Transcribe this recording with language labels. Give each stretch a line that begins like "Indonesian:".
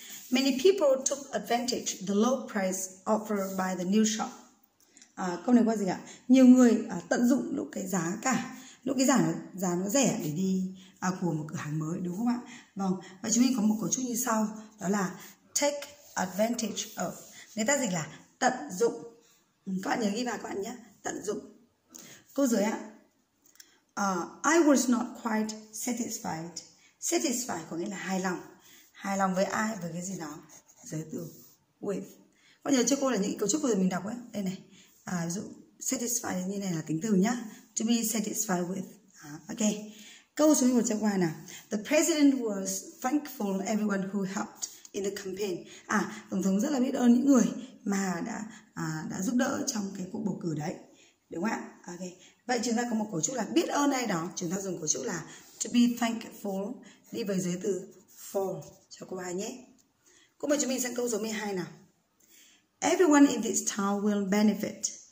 English: Many people took advantage the low price offered by the new shop.
Vietnamese: Câu này có gì ạ? Nhiều người tận dụng lúc cái giá cả, lúc cái giá nó rẻ để đi của một cửa hàng mới, đúng không ạ? Vâng, và chúng mình có một cấu trúc như sau, đó là take advantage of. Người ta dịch là tận dụng. Các bạn nhớ ghi vào các bạn nhé, tận dụng. Câu dưới ạ.
English: I was not quite satisfied. Satisfied có nghĩa là hài lòng.
Vietnamese: Hài lòng với ai, với cái gì đó. Giới từ with. Có nhớ cho cô là những cấu trúc vừa rồi mình đọc ấy. Đây này, ví dụ satisfied như này là tính từ nhá. To be satisfied with. Ok. Câu số 1 cho qua nào.
English: The president was thankful everyone who helped in the campaign.
Vietnamese: À, Tổng thống rất là biết ơn những người mà đã giúp đỡ trong cái cuộc bầu cử đấy. Đúng không ạ? Ok. Vậy chúng ta có một cấu trúc là biết ơn ai đó. Chúng ta dùng cấu trúc là to be thankful, đi với giới từ for cho cô hai nhé. Cô mời chúng mình sang câu số 12 nào. Everyone in this town will benefit.